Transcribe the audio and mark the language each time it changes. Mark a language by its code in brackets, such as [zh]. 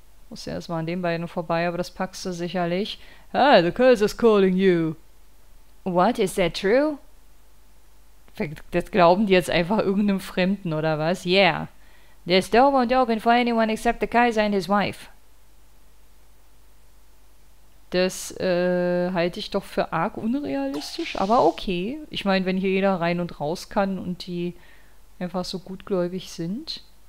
[de] Muss erstmal an den beiden vorbei, aber das packst du sicherlich. [en] Hey, the Kaiser's calling you. What, is that true? [de] Das glauben die jetzt einfach irgendeinem Fremden, oder was? [en] Yeah. This door won't open for anyone except the Kaiser and his wife. [de] Das halte ich doch für arg unrealistisch, aber okay. Ich meine, wenn hier jeder rein und raus kann und die einfach so gutgläubig sind...